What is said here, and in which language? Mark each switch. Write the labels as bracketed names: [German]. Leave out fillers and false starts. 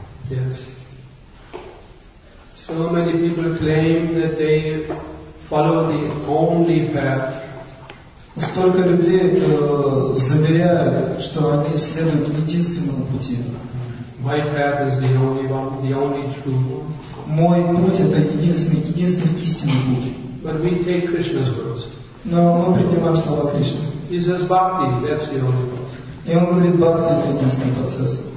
[English] Yes. So many people claim that they follow the only path. [Russian] Столько людей заверяют, что они следуют единственному пути. [English] My path is the only one, the only true one. [Russian] Мой путь — это единственный истинный путь. [English] But we take Krishna's words. [Russian] Но мы принимаем слова Кришны. [English] He says bhakti, that's the only path. [Russian] И он говорит, бхакти — это единственный процесс.